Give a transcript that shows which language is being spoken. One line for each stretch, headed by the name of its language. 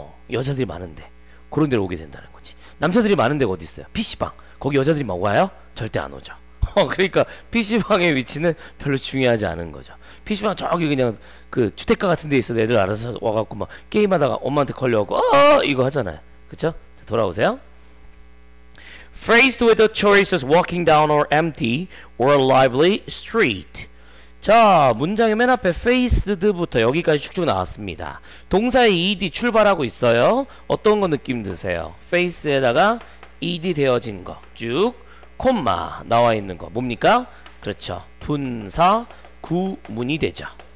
Korean: 여자들이 많은데 그런 데로 오게 된다는 거지. 남자들이 많은데가 어디 있어요? PC방. 거기 여자들이 막 와요? 절대 안 오죠. 그러니까 PC방의 위치는 별로 중요하지 않은 거죠. PC방 저기 그냥 그 주택가 같은 데 있어도 애들 알아서 와갖고 막 게임하다가 엄마한테 걸려갖고 이거 하잖아요. 그쵸? 돌아오세요.
English: Faced with the choices walking down our empty or lively street.
Korean: 자, 문장의 맨 앞에 faced부터 여기까지 쭉쭉 나왔습니다. 동사의 ed 출발하고 있어요. 어떤 거 느낌 드세요? face에다가 ed 되어진 거. 쭉, 콤마 나와 있는 거. 뭡니까? 그렇죠. 분사 구문이 되죠.